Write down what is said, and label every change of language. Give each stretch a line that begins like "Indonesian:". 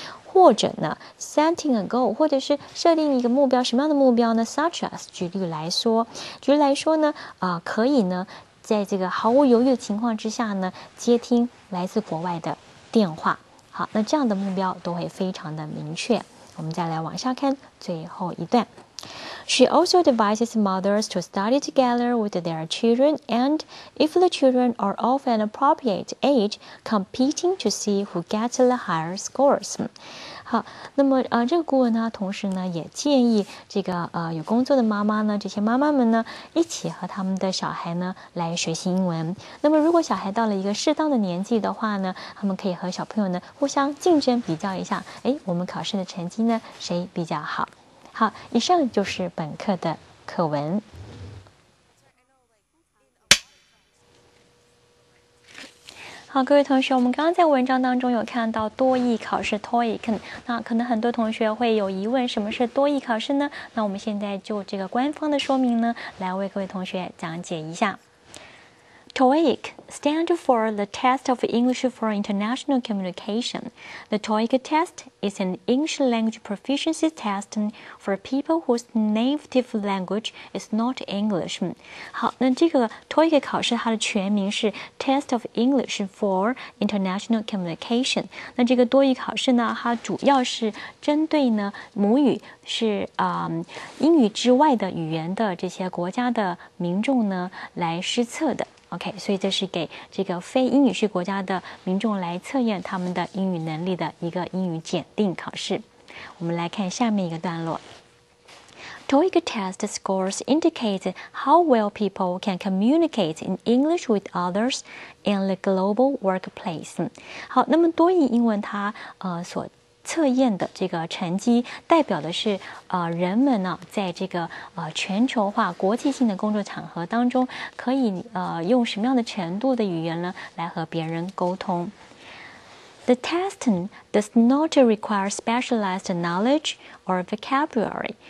Chinese: 或者呢
English: setting a goal，
Chinese: 或者是设定一个目标，什么样的目标呢 ？
English: Such as，
Chinese: 举例来说呢，可以呢，在这个毫无犹豫的情况之下呢，接听来自国外的电话。好，那这样的目标都会非常的明确。我们再来往下看最后一段。
English: She also advises mothers to study together with their children, and if the children are of an appropriate age, competing to see who gets the higher scores.
Chinese: 好，那么这个顾问呢，同时呢也建议这个有工作的妈妈呢，这些妈妈们呢一起和他们的小孩呢来学习英文。那么如果小孩到了一个适当的年纪的话呢，他们可以和小朋友呢互相竞争比较一下，哎，我们考试的成绩呢谁比较好？好，以上就是本课的课文。好，各位同学，我们刚刚在文章当中有看到多益考试 TOEIC， 那可能很多同学会有疑问，什么是多益考试呢？那我们现在就这个官方的说明呢，来为各位同学讲解一下。
English: TOEIC stands for the Test of English for International Communication. The TOEIC test is an English language proficiency test for people whose native language is not English.
Chinese: 好，那这个 TOEIC 考试它的全名是 Test of English for International Communication. 那这个多益考试呢，它主要是针对呢母语是英语之外的语言的这些国家的民众呢来施测的。 OK， 所以这是给这个非英语系国家的民众来测验他们的英语能力的一个英语检定考试。我们来看下面一个段落。
English: TOEIC test scores indicate how well people can communicate in English with others in the global workplace.
Chinese: 好，那么多益英文它所测验的这个成绩代表的是人们呢在这个全球化国际性的工作场合当中可以用什么样的程度的语言呢来和别人沟通。
English: The test does not require specialized knowledge or vocabulary.